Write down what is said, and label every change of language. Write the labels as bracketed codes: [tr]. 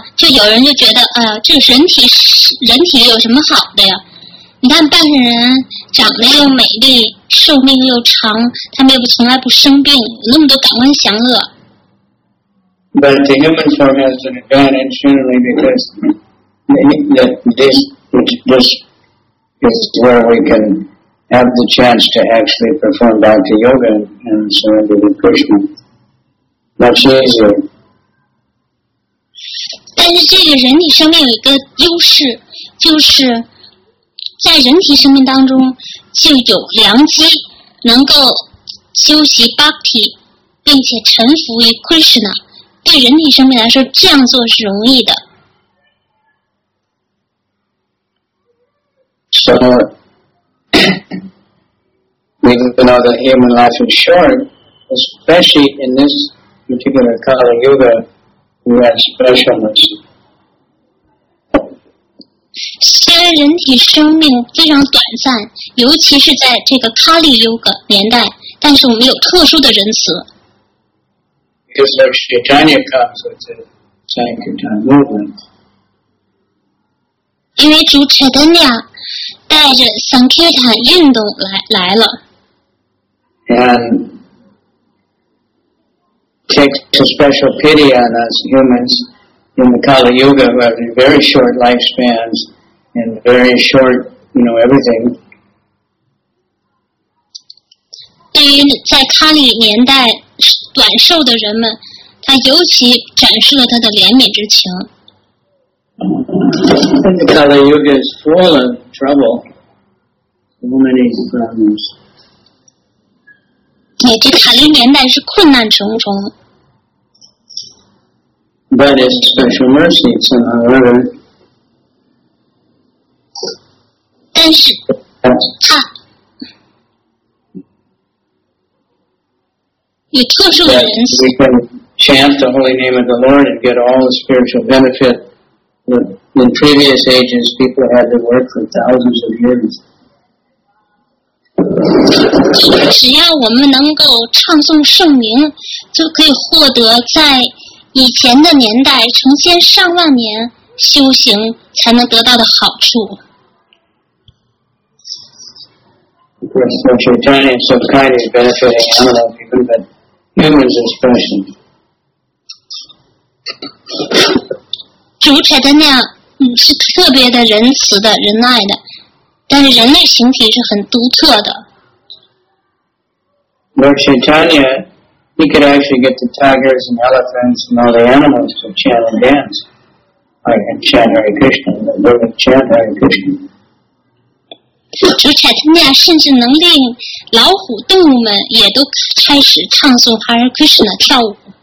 [zh] 有人就觉得，这人体有什么好的呀？你看半身人长得又美丽，寿命又长，他们又从来不生病，有那么多感官享乐。 [en] But the human form has an advantage generally because this is where we can have the chance to actually perform Bhakti Yoga and surrender to Krishna much easier. [zh] 但是这个人体生命有一个优势，就是在人体生命当中就有良机能够修习 Bhakti 并且臣服于 Krishna。对人体生命来说，这样做是容易的。 [en] So, even though the human life is short, especially in this particular Kali Yuga, we have specialness. [zh] 虽然人体生命非常短暂，尤其是在这个 Kali Yuga 年代，但是我们有特殊的仁慈。 [en] Because Lord Chaitanya comes with the Sankirtan movement. [zh] 因为主 Chaitanya 带着 Sankirtan 运动来了。 [en] And takes a special pity on us humans in the Kali Yuga who have very short lifespans and very short, you know, everything. [zh] 对于在卡里年代短寿的人们，他尤其展示了他的怜悯之情。 [en] Kali Yuga is full of trouble, so many problems. [zh] 也就卡里年代是困难重重。 [en] But it's special mercy, it's an honor. [zh] 但是他。 [en] That we can chant the holy name of the Lord and get all the spiritual benefit that in previous ages people had to work for thousands of years. [zh] 只要我们能够唱诵圣名，就可以获得在以前的年代成千上万年修行才能得到的好处。 [en] Of course, Lord Chaitanya is so kind of benefiting all of you, but. Humans are special. [zh] 主持的那样是特别的仁慈的仁爱的，但是人类形体是很独特的。 [en] Lord Chaitanya, he could actually get the tigers and elephants and all the animals to chant and dance. I can chant Hare Krishna. They would chant Hare Krishna. [zh] 主柴特尼亚甚至能令老虎动物们也都开始唱诵 Hare Krishna 跳舞。